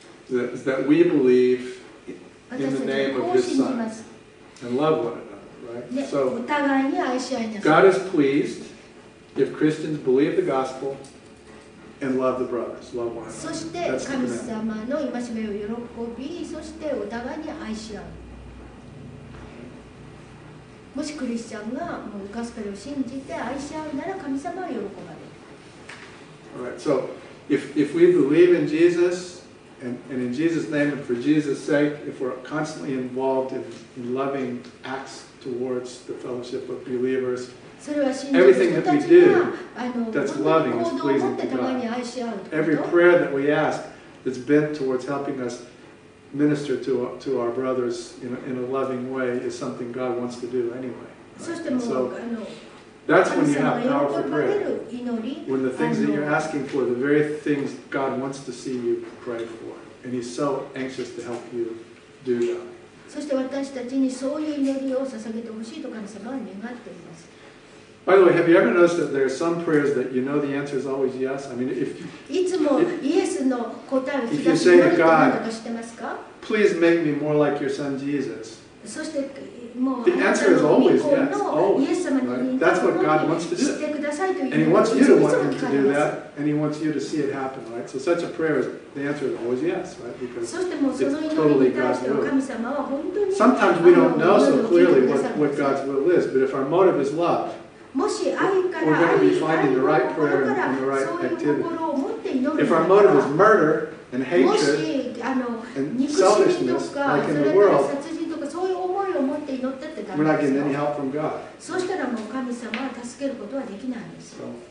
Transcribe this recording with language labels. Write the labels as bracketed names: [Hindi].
[English] That we believe in the name of his Son and love one another, right? So God is pleased if Christians believe the gospel And love the brothers, love one another. [Japanese] そして神様の戒めを喜び、そしてお互いに愛し合う。もしクリスチャンがもうガスペルを信じて愛し合うなら神様は喜ばれる。 [English] All right, so if we believe in Jesus and in Jesus' name and for Jesus' sake, if we're constantly involved in loving acts towards the fellowship of believers,Everything that we do that's loving is pleasing to God. Every prayer that we ask is bent towards helping us minister to our brothers in a loving way is something God wants to do anyway. Right? So that's when you have powerful prayer. When the things that you're asking for, the very things God wants to see you pray for. And He's so anxious to help you do that. [Japanese] そして私たちにそういう祈りを捧げてほしいと神様は願っています。 [English] By the way, have you ever noticed that there are some prayers that you know the answer is always yes? I mean, if you say to God, please make me more like your son Jesus, the answer is always yes, always. Right? That's what God wants to do. And He wants you to want Him to do that, and He wants you to see it happen, right? So such a prayer, the answer is always yes, right? Because it's totally God's will. Sometimes we don't know so clearly what God's will is, but if our motive is love, [Japanese] もし愛から愛の心から、 [English] right、 [Japanese] そういう心を持って祈るなら、もし [English] murder and hatred and selfishness like in the world, [Japanese] そういう思いを持って祈ってってダメですよ。 [English] We're not getting any help from God. [Japanese] そしたらもう神様は助けることはできないんですよ。